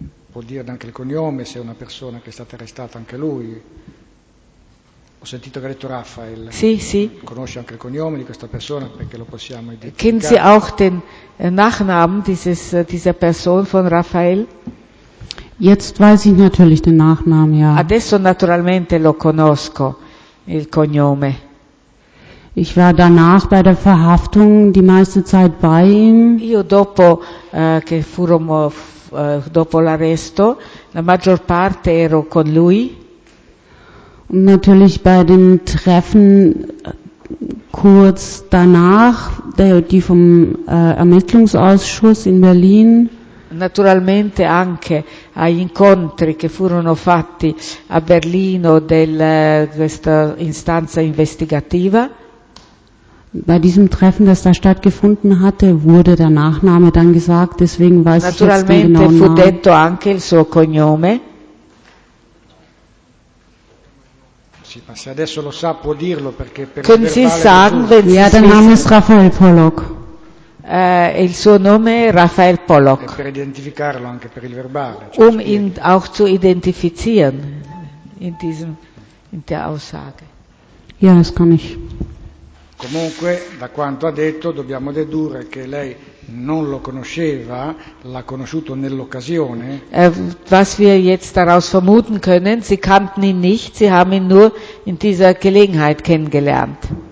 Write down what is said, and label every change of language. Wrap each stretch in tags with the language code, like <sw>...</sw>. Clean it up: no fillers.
<it>Può dirne anche il cognome, se è una persona che è stata arrestata anche lui. Ho sentito che ha detto Raphael. Sì, sì. Conosce anche il cognome di questa persona, perché lo possiamo identificare.</it> <de>Kennen Sie auch den Nachnamen dieser Person von Raphael? Jetzt weiß ich natürlich den Nachnamen, ja.</de> <it>Adesso naturalmente lo conosco, il cognome.</it> <de>Ich war danach bei der Verhaftung die meiste Zeit bei ihm.</de> <it>Io dopo che furono dopo l'arresto, la maggior parte ero con lui.</it> <de>Und natürlich bei den Treffen kurz danach, die vom Ermittlungsausschuss in Berlin.</de> <it>Naturalmente anche agli incontri che furono fatti a Berlino della questa istanza investigativa.</it> <de>Bei diesem Treffen, das da stattgefunden hatte, wurde der Nachname dann gesagt, deswegen weiß ich jetzt den genauen Namen.</de> <it>Naturalmente fu detto anche il suo cognome. Sì, ma se adesso lo sa può dirlo perché per</it> <de>Können Sie sagen, wenn Sie ja, der Name ist Raphael Pollock.</de> <it>Il suo nome è Raphael Pollock. Per identificarlo anche per il verbale. Cioè</it> <de>ihn auch zu identifizieren in diesem in der Aussage. Ja, das kann ich.</de> <it>Comunque, da quanto ha detto, dobbiamo dedurre che lei non lo conosceva, l'ha conosciuto nell'occasione.</it> <de>Was wir jetzt daraus vermuten können, sie kannten ihn nicht, sie haben ihn nur in dieser Gelegenheit kennengelernt.</de>